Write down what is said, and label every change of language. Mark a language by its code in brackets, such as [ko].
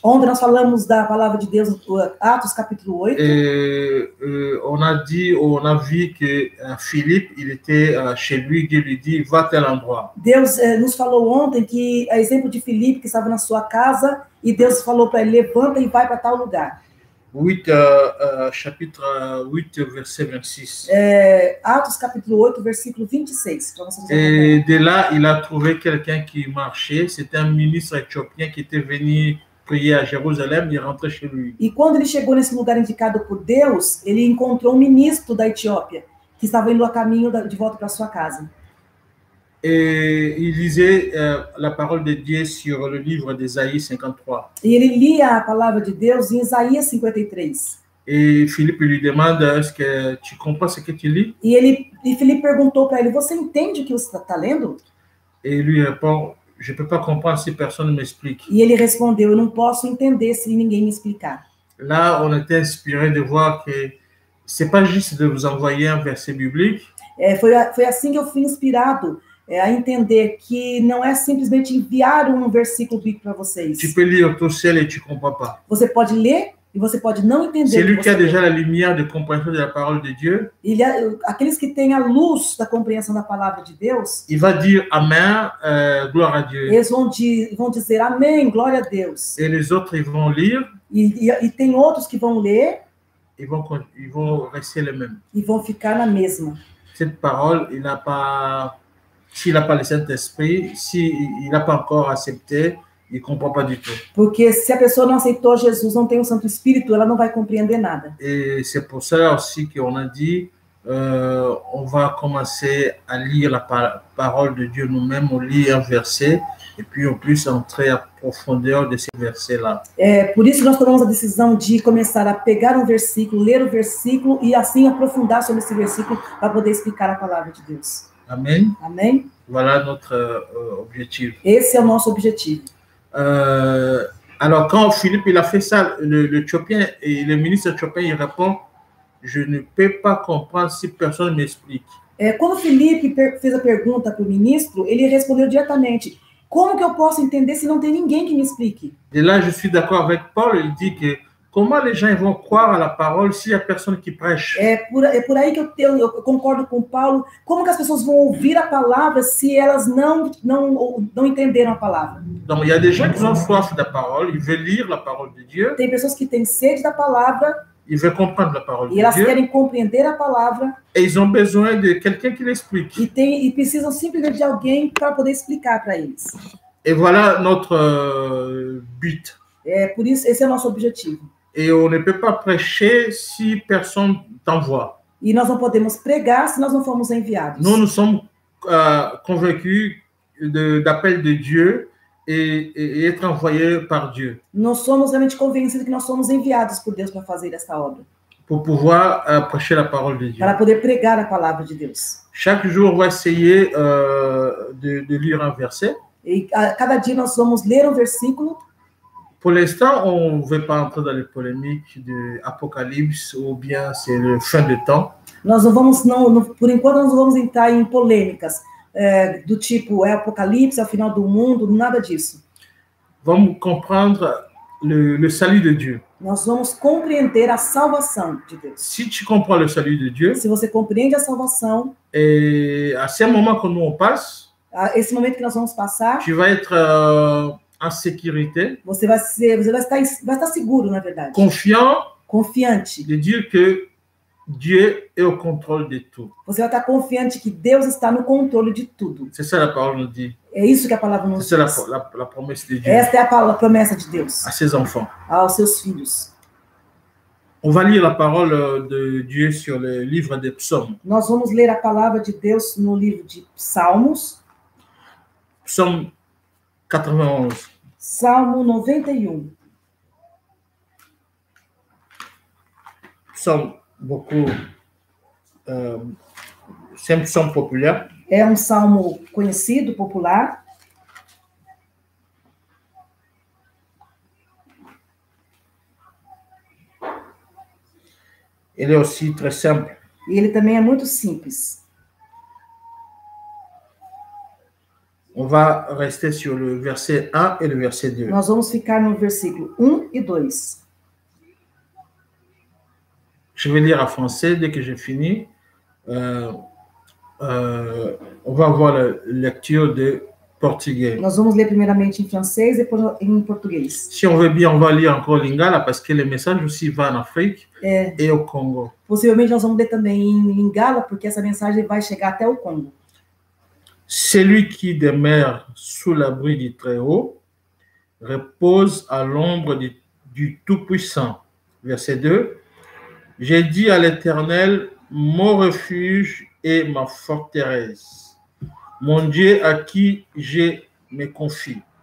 [pt] Ontem nós falamos da palavra de Deus Atos capítulo 8. [fr] On a dit ou on a vu que Philippe il était chez lui, Dieu lui dit va à tel endroit. [pt] Deus nos falou ontem que a exemplo de Philippe que estava na sua casa e Deus falou para ele levanta e vai para tal lugar. [fr] 8, chapitre 8, verset 26. [pt] Atos, capítulo 8, versículo 26. [fr] Et de là, il a trouvé quelqu'un qui marchait. C'était un ministre éthiopien qui était venu prier à Jérusalem et rentrer chez lui. [pt] E quando ele chegou nesse lugar indicado por Deus, ele encontrou um ministro da Etiópia que estava indo a caminho de volta para sua casa. [fr] Et il lisait la parole de Dieu sur le livre d'Ésaïe 53. [pt] E ele lia a palavra de Deus em Isaías 53. [fr] Et Philippe lui demande est-ce que tu comprends ce que tu lis? [pt] E Philippe perguntou para ele: você entende o que você está lendo? [fr] Et lui répond: je peux pas comprendre si personne m'explique. [pt] E ele respondeu: eu não posso entender se ninguém me explicar. [fr] Là, on était inspiré de voir que c'est pas juste de vous envoyer un verset biblique. [pt] Foi assim que eu fui inspirado. A entender que não é simplesmente enviar um versículo bíblico para vocês. [fr] Tu peux lire tout seul et tu comprends pas. [pt] Você pode ler e E você pode não entender. [fr] Celui qui a déjà la lumière de compréhension de la parole de Dieu. Il y a [pt] aqueles que têm a luz da compreensão da palavra de Deus. [fr] Il va dire amen, gloire à Dieu. [pt] Eles vão dizer amém, glória a Deus. [fr] Et les autres ils vont lire. [pt] E tem outros que vão ler. [fr] Ils vont rester les mêmes. Ils vont [pt] ficar na mesma. [fr] Cette parole, il n'a pas, s'il n'a pas le Saint-Esprit, s'il n'a pas encore accepté, il ne comprend pas du tout. [pt] Porque se a pessoa não aceitou Jesus, não tem o Santo Espírito, ela não vai compreender nada. [fr] Et c'est pour ça aussi qu'on a dit, on va commencer à lire la parole de Dieu nous-mêmes, on lit un verset, et puis on peut entrer à profondeur de ces versets-là. [pt] É, por isso que nós tomamos a decisão de começar a pegar um versículo, ler o versículo, e assim aprofundar sobre esse versículo, para poder explicar a palavra de Deus. Amém? Amém? [fr] Voilà notre objectif. [pt] Esse é o nosso objetivo. [fr] Alors quand Philippe il a fait ça, l'Éthiopien et le ministre éthiopien il répond, je ne peux pas comprendre si personne m'explique. [pt] Quand Philippe fez a pergunta pro ministro, ele respondeu diretamente, como que eu posso entender se não tem ninguém que me explique? [fr] Et là je suis d'accord avec Paul, il dit que comment les gens vont croire à la parole s'il y a personne qui prêche? [pt] É por aí que eu concordo com Paulo. Como que as pessoas vão ouvir a palavra se elas não entenderam a palavra? [fr] Donc il y a des gens qui ont soif de la parole, ils veulent lire la parole de Dieu. [pt] Tem pessoas que têm sede da palavra. [fr] Ils veulent comprendre la parole de Dieu. [pt] E elas querem compreender a palavra. [fr] Et ils ont besoin de quelqu'un qui l'explique. [pt] E precisam simplesmente de alguém para poder explicar para eles. [fr] Et voilà notre but. [pt] Por isso, esse é o nosso objetivo. [fr] Et on ne peut pas prêcher si personne t'envoie. [pt] E nós não podemos pregar se nós não formos enviados. [fr] Nous sommes convaincus d'appel de Dieu et être envoyé par Dieu. [pt] Nós somos realmente convencidos que nós somos enviados por Deus para fazer esta obra. [fr] Pour pouvoir prêcher la parole de Dieu. [pt] Para poder pregar a palavra de Deus. [fr] Chaque jour, on va essayer de lire un verset. [pt] E cada dia nós vamos ler um versículo. [fr] Pour l'instant, on ne veut pas entrer dans les polémiques de l'Apocalypse ou bien c'est le fin de temps. [pt] Nós não vamos, por enquanto, nós não vamos entrar em polêmicas do tipo é Apocalipse, é o final do mundo, nada disso. Vamos compreender [fr] le salut de Dieu. [pt] Nós vamos compreender a salvação de Deus. [fr] Si tu comprends le salut de Dieu. [pt] Se você compreende a salvação. [fr] Et à ce moment que nous on passe. [pt] A esse momento que nós vamos passar. [fr] Tu vas être en sécurité. [pt] Você vai estar seguro, na verdade. Confiante. [fr] De dire que Dieu est au contrôle de tout. [pt] Você vai estar confiante que Deus está no controle de tudo. [fr] C'est ça la parole nous dit. [pt] É isso que a palavra nos diz. [fr] C'est la promesse de Dieu. [pt] Esta é a promessa de Deus. [fr] À ses enfants. [pt] Aos seus filhos. [fr] On va lire la parole de Dieu sur le livre des psaumes. [pt] Nós vamos ler a palavra de Deus no livro de Salmos. [fr] Psaume 91. [pt] Salmo 91. [fr] Psaume beaucoup, c'est un psaume populaire. [pt] É um salmo conhecido, popular. Ele é [fr] aussi très simple. [pt] E ele também é muito simples. [fr] On va rester sur le verset 1 et le verset 2. [pt] Nós vamos ficar no versículo 1 e 2. [fr] Je vais lire en français dès que j'ai fini. On va voir la lecture de portugais. [pt] Nós vamos ler primeiramente em francês e depois em português. [fr] Si on veut bien, on va lire encore lingala parce que les messages aussi vont en Afrique et au Congo. [pt] Possivelmente nós vamos ler também em lingala porque essa mensagem vai chegar até o Congo. [fr] Celui qui demeure sous l'abri du Très-Haut repose à l'ombre du Tout-Puissant. Verset 2. J'ai dit à l'Éternel, mon refuge et ma forteresse, mon Dieu à qui je me confie.